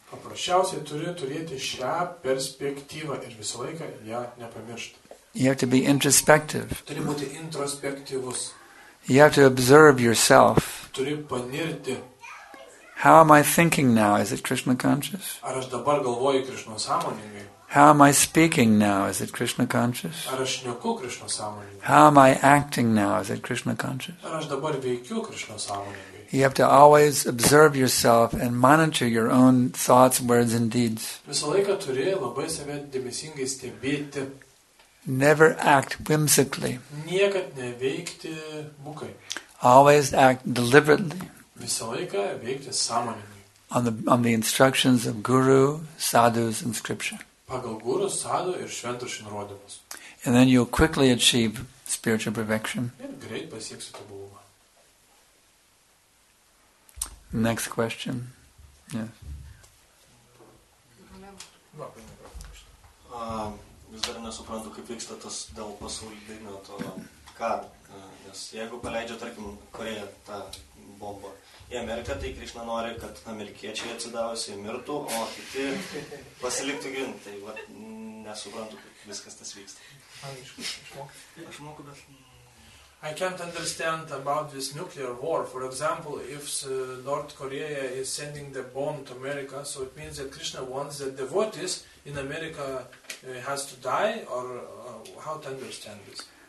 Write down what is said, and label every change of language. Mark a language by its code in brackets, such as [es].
[lt] Paprasčiausiai turi turėti šią perspektyvą ir visą laiką ją nepamiršti. [en] You have to be introspective. [lt] Turi būti introspektyvus. [en] You have to observe yourself. [lt] Turi panirti. [en] How am I thinking now? Is it Krishna conscious? [lt] Ar aš dabar galvoju Krishna sąmoningai? [en] How am I speaking now? Is it Krishna conscious? [lt] Ar aš šneku Krishna sąmoningai? [en] How am I acting now? Is it Krishna conscious? [lt] Ar aš dabar veikiu Krishna sąmoningai? [en] You have to always observe yourself and monitor your own thoughts, words and deeds. [lt] Visą laiką turi labai save dėmesingai stebėti. [en] Never act whimsically. [lt] Niekad neveikti bukai. [en] Always act deliberately. [lt] Visą laiką veikti sąmoningai. [en] On the instructions of guru, sadhus and scripture. [lt] Pagal guru, sadhu ir šventraščių nurodymus. [en] And then you'll quickly achieve spiritual perfection. [lt] Ir greit pasieksi tobulumą. [en] Next question. Yes. [lt] Vis dar nesuprantu, kaip vyksta tas dėl pasaulydinio to, kad, nes jeigu paleidžia, tarkim, Korėja tą bombą į Ameriką, tai Krishna nori, kad amerikiečiai atsidavusiai mirtų, o kiti pasiliktų gint. Tai va, nesuprantu, kaip viskas tas vyksta. Aš moku, bet... [en] I can't understand about this nuclear war. For example, if North Korea is sending the bomb to America, so it means that Krishna wants that devotees in America has to die, or how to understand this?